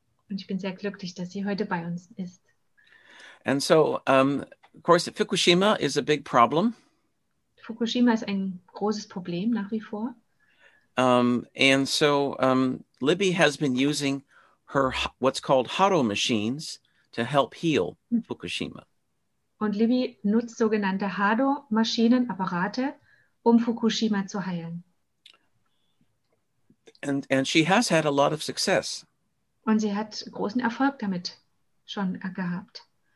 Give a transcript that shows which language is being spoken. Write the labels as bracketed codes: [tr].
[de] Und ich bin sehr glücklich, dass sie heute bei uns ist. [en] And so, of course, Fukushima is a big problem. [de] Fukushima ist ein großes Problem nach wie vor. [en] And so Libby has been using her what's called Haro machines to help heal Fukushima. [de] Und Libby nutzt sogenannte Hado-Maschinen, Apparate, um Fukushima zu heilen. [en] And she has had a lot of success. [de] Und sie hat großen Erfolg damit schon gehabt.